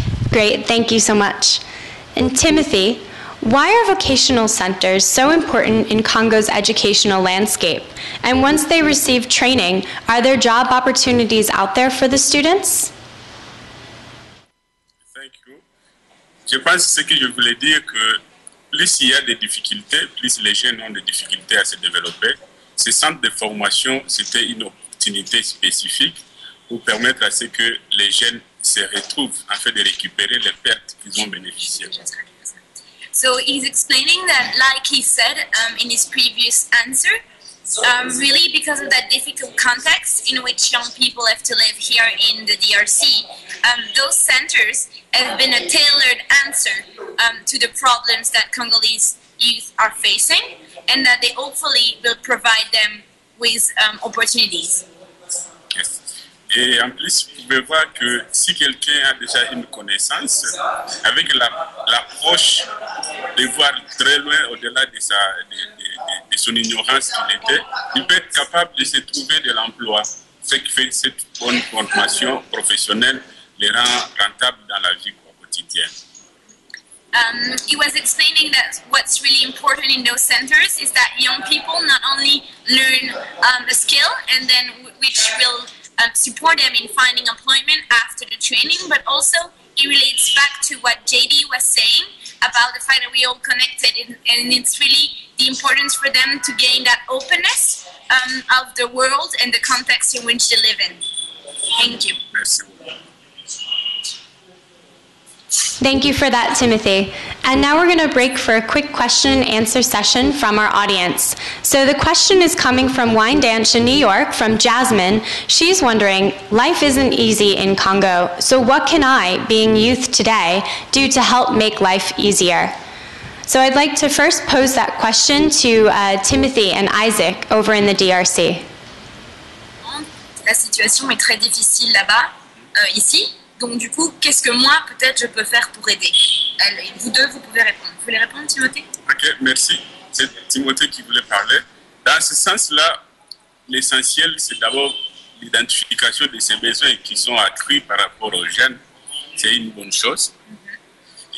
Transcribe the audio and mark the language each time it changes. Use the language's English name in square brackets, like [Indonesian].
[English] Great, thank you so much. And Timothee, why are vocational centers so important in Congo's educational landscape? And once they receive training, are there job opportunities out there for the students? Thank you. [French] Je pense ce que je voulais dire que plus il y a des difficultés, plus les jeunes ont des difficultés à se développer. Ces centres de formation, c'était une opportunité spécifique pour permettre à ce que les jeunes se retrouvent afin de récupérer les pertes qu'ils ont bénéficiées. [English] So he's explaining that, like he said in his previous answer, really because of that difficult context in which young people have to live here in the DRC, those centers have been a tailored answer to the problems that Congolese youth are facing, and that they hopefully will provide them with opportunities. Yes. [French] Et en plus, vous pouvez voir que si quelqu'un a déjà une connaissance, avec l'approche de voir très loin au-delà de sa de son ignorance qu'il était, il peut être capable de se trouver de l'emploi. Ce qui fait cette bonne formation professionnelle le rend rentable dans la vie quotidienne. [English] He was explaining that what's really important in those centers is that young people not only learn a skill and then which will support them in finding employment after the training, but also it relates back to what JD was saying about the fact that we all connected, and it's really the importance for them to gain that openness of the world and the context in which they live in. Thank you. [French] Merci. [English] Thank you for that, Timothee. And now we're going to break for a quick question and answer session from our audience. So the question is coming from Wyandanche in New York, from Jasmine. She's wondering, life isn't easy in Congo, so what can I, being youth today, do to help make life easier? So I'd like to first pose that question to Timothee and Issac over in the DRC. [French] La situation est très difficile là-bas, ici. Donc du coup, qu'est-ce que moi, peut-être, je peux faire pour aider? Vous deux, vous pouvez répondre. Vous voulez répondre, Timothee? Ok, merci. C'est Timothee qui voulait parler. Dans ce sens-là, l'essentiel, c'est d'abord l'identification de ces besoins qui sont accrus par rapport aux jeunes. C'est une bonne chose. Mm-hmm.